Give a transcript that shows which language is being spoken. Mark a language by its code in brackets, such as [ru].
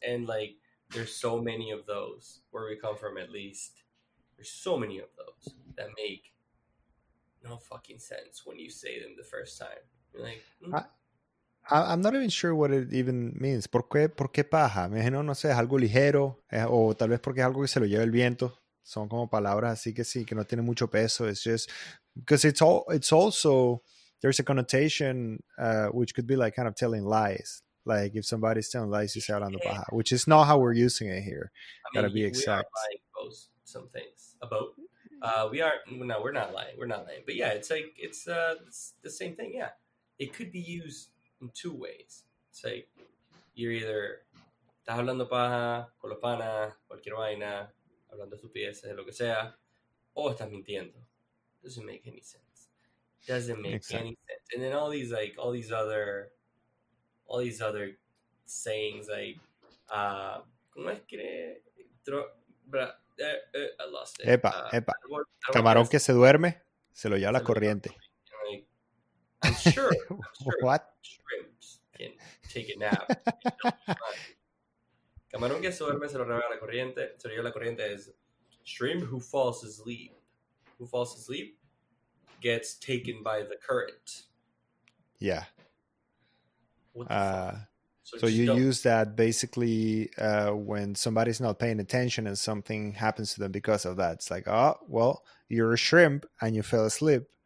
[en] And like, there's so many of those, where we come from at least. There's so many of those that make no fucking sense when you say them the first time. You're like, I'm not even sure what it even means. [es] ¿Por qué paja? Me imagino, no sé, es algo ligero, o tal vez porque es algo que se lo lleva el viento. Son como palabras así que sí, que no tienen mucho peso. [en] It's just, because there's a connotation which could be like kind of telling lies. Like if somebody's telling lies, you say [es] hablando paja, [en] which is not how we're using it here. Gotta be exact. We are lying about some things. We're not lying. We're not lying. But yeah, it's the same thing. Yeah. It could be used in two ways. It's like you're either [es] estás hablando paja, colopana, cualquier vaina, hablando estupideces, lo que sea, o estás mintiendo. [en] Doesn't make any sense. And then all these other sayings, like [es] ¿cómo es que [en] I lost it. [es] Epa. Camarón que se duerme, se lo lleva la corriente. [en] I'm sure. What? Shrimps can take a nap. [es] Camarón que se duerme se lo lleva la corriente. Se lo lleva la corriente [en] is shrimp who falls asleep. Who falls asleep gets taken by the current. Yeah. So you use that basically when somebody's not paying attention and something happens to them because of that. It's like, oh, well, you're a shrimp and you fell asleep.